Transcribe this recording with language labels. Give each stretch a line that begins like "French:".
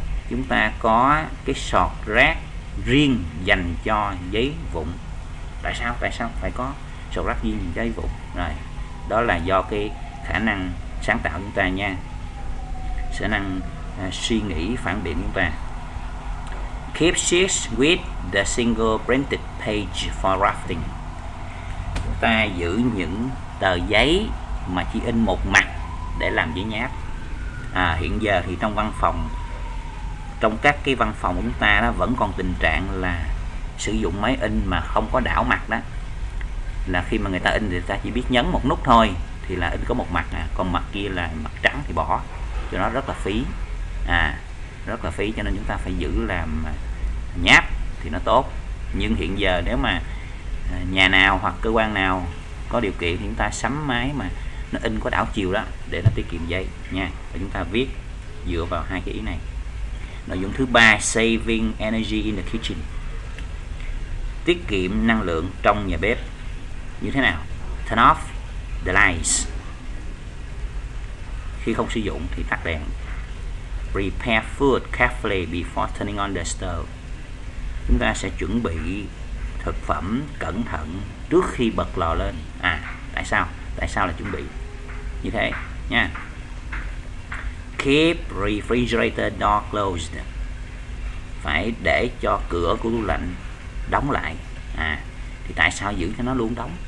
Vietnamese: Chúng ta có cái sọt rác riêng dành cho giấy vụn. Tại sao? Tại sao phải có sọt rác riêng cho giấy vụn? Rồi, đó là do cái khả năng sáng tạo chúng ta nha, khả năng suy nghĩ phản biện chúng ta.
English: Keep sheets with the single printed page for drafting.
Vietnamese: Chúng ta giữ những tờ giấy mà chỉ in một mặt để làm giấy nháp. À, hiện giờ thì trong văn phòng, trong các cái văn phòng của chúng ta đó vẫn còn tình trạng là sử dụng máy in mà không có đảo mặt đó. Là khi mà người ta in thì ta chỉ biết nhấn một nút thôi, thì là in có một mặt à, còn mặt kia là mặt trắng thì bỏ, cho nó rất là phí. À, rất là phí, cho nên chúng ta phải giữ làm nháp thì nó tốt. Nhưng hiện giờ nếu mà nhà nào hoặc cơ quan nào có điều kiện thì chúng ta sắm máy mà nó in có đảo chiều đó để nó tiết kiệm giấy nha. Và chúng ta viết dựa vào hai cái ý này. Nội dung thứ ba,
English: saving energy in the kitchen.
Vietnamese: Tiết kiệm năng lượng trong nhà bếp như thế nào?
English: Turn off the lights
Vietnamese: khi không sử dụng thì tắt đèn.
English: Prepare food carefully before turning on the stove.
Vietnamese: Chúng ta sẽ chuẩn bị thực phẩm cẩn thận trước khi bật lò lên. À, tại sao? Tại sao là chuẩn bị như thế nha.
English: Keep refrigerator door closed.
Vietnamese: Phải để cho cửa của tủ lạnh đóng lại. À, thì tại sao giữ cho nó luôn đóng?